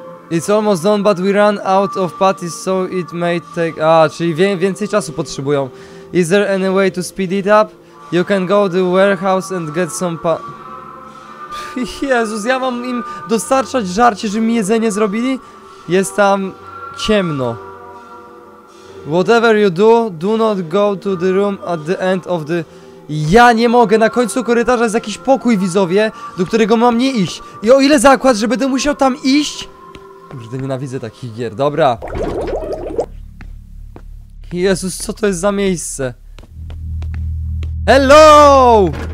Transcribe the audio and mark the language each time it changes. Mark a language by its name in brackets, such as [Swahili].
[English] It's almost done, but we ran out of parties, so it may take... [Polish] A, czyli więcej czasu potrzebują. [English] Is there any way to speed it up? You can go to the warehouse and get some pa... [Polish] Jezus, ja mam im dostarczać żarcie, żeby mi jedzenie zrobili? Jest tam ciemno. [English] Whatever you do, do not go to the room at the end of the... [Polish] Ja nie mogę, na końcu korytarza jest jakiś pokój, widzowie, do którego mam nie iść. I o ile zakład, że będę musiał tam iść? Kurde, nienawidzę takich gier, dobra. Jezus, co to jest za miejsce? Hello!